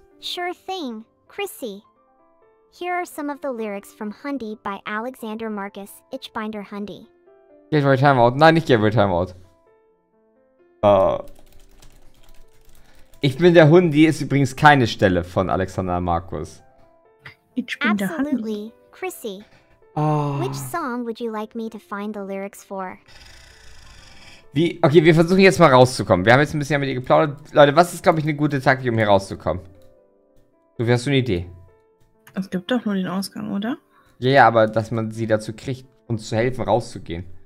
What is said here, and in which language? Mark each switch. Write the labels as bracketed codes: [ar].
[en] Sure thing, Chrissy. Here are some of the lyrics from Hundi by Alexander Marcus Itchbinder Hundi. [de] Gateway Timeout. Nein, nicht Gateway Timeout. Ich bin der Hundi ist übrigens keine Stelle von Alexander Marcus. [en] Absolutely, Chrissy. Oh. Which song would you like me to find the lyrics for? [de] Wie? Okay, wir versuchen jetzt mal rauszukommen. Wir haben jetzt ein bisschen mit ihr geplaudert. Leute, was ist, glaube ich, eine gute Taktik, um hier rauszukommen? Du, hast du eine Idee? Es gibt doch nur den Ausgang, oder? Ja, ja, aber dass man sie dazu kriegt, uns zu helfen, rauszugehen.